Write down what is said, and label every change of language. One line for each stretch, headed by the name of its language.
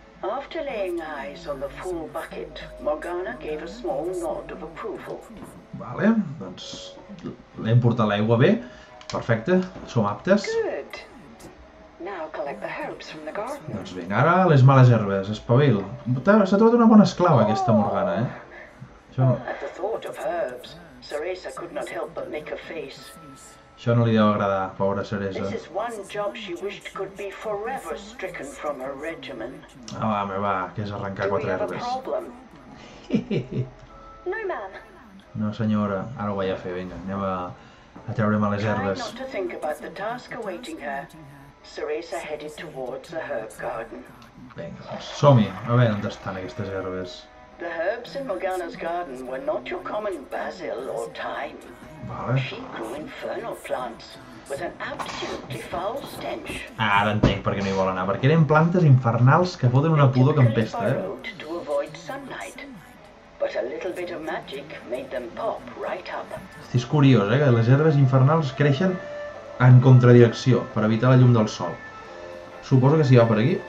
English: After laying eyes on the full bucket, Morgana gave a small nod of approval.
Catalan: Vale, doncs l'hem portat l'aigua bé. Perfecte, som aptes.
English: Good. Now collect the herbs from the garden.
Catalan: Doncs vinga, ara les males herbes, espavil. S'ha trobat una bona esclava, aquesta Morgana, Això...
English: At the thought of herbs, Cerisa could not help but make a face.
Catalan: Això no li deu agradar, pobra Cerisa.
English: This is one job she wished could be forever stricken from her regimen.
Catalan: Ah, home, va, que és arrencar
English: Do
Catalan: quatre herbes.
English: No, ma'am.
Catalan: No, senyora, ara ho vaig a fer, vinga, anem a treure males herbes.
English: Try not to think about the task awaiting her. Cerisa headed towards the herb garden.
Catalan: Vinga, som-hi, a veure on estan aquestes herbes.
English: The herbs in Morgana's garden were not your common basil or thyme.
Catalan: Vale.
English: She grew infernal plants with an absolutely foul stench.
Catalan: Ara entenc per què no hi vol anar, perquè eren plantes infernals que foten una pudor que empesta,
English: To avoid sunlight. But a little bit of magic made them pop right up.
Catalan: Hosti, és curiós, que les herbes infernals creixen en contradirecció per evitar la llum del sol. Suposo que si va per aquí...